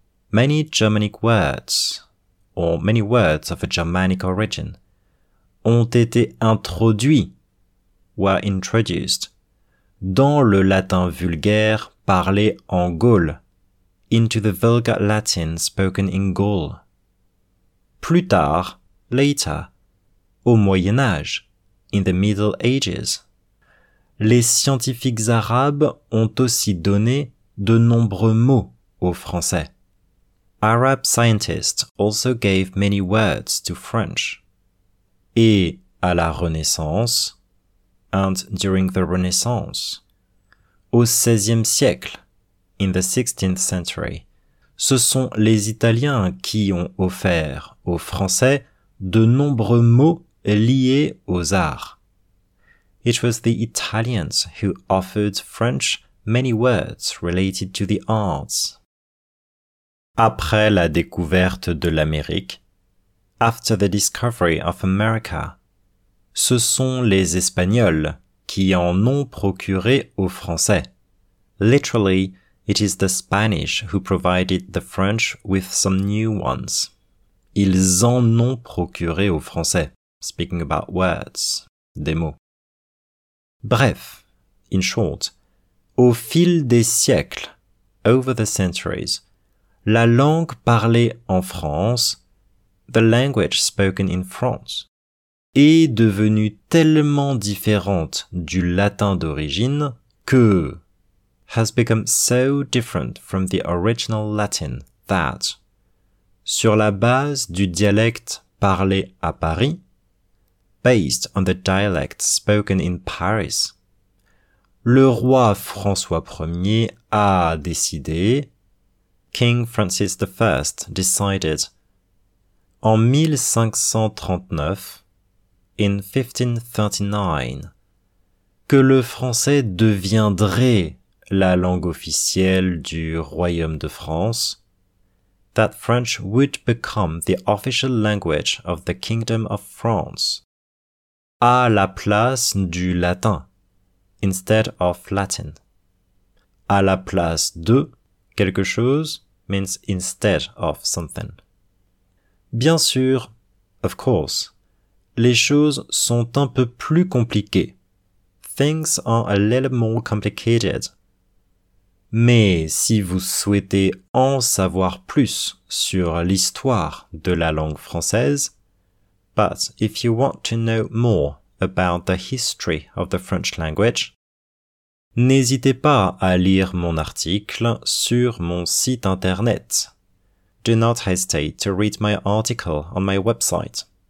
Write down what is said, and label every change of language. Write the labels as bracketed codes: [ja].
[en] many Germanic words, or many words of a Germanic origin, [fr] ont été introduits, [en] were introduced, [fr] dans le latin vulgaire parlé en Gaule, [en] into the vulgar Latin spoken in Gaul. [fr] Plus tard, [en] later, [fr] au Moyen Âge, [en] in the Middle Ages, [fr] les scientifiques arabes ont aussi donné de nombreux mots aux Français. [en] Arab scientists also gave many words to French. [fr] Et à la Renaissance, [en] and during the Renaissance, [fr] au XVIe siècle, [en] in the 16th century, [fr] ce sont les Italiens qui ont offert aux Français de nombreux mots liés aux arts. [en] It was the Italians who offered French many words related to the arts. [fr] Après la découverte de l'Amérique, [en] after the discovery of America, [fr] ce sont les Espagnols qui en ont procuré aux Français. [en] Literally, it is the Spanish who provided the French with some new ones. [fr] Ils en ont procuré aux Français. [en] Speaking about words, [fr] des mots. Bref, [en] in short, [fr] au fil des siècles, [en] over the centuries, [fr] la langue parlée en France, [en] the language spoken in France, [fr] est devenue tellement différente du latin d'origine que [en] has become so different from the original Latin that, [fr] sur la base du dialecte parlé à Paris, [en] based on the dialect spoken in Paris, [fr] le roi François Ier a décidé, [en] King Francis I decided, [fr] en 1539, [en] in 1539, [fr] que le français deviendrait la langue officielle du Royaume de France, [en] that French would become the official language of the Kingdom of France, [fr] à la place du latin, [en] instead of Latin, [fr] à la place de quelque chose, [en] means instead of something. [fr] Bien sûr, [en] of course, [fr] les choses sont un peu plus compliquées. [en] Things are a little more complicated. [fr] Mais si vous souhaitez en savoir plus sur l'histoire de la langue française, [en] but if you want to know more about the history of the French language, [fr] n'hésitez pas à lire mon article sur mon site internet. [en] Do not hesitate to read my article on my website.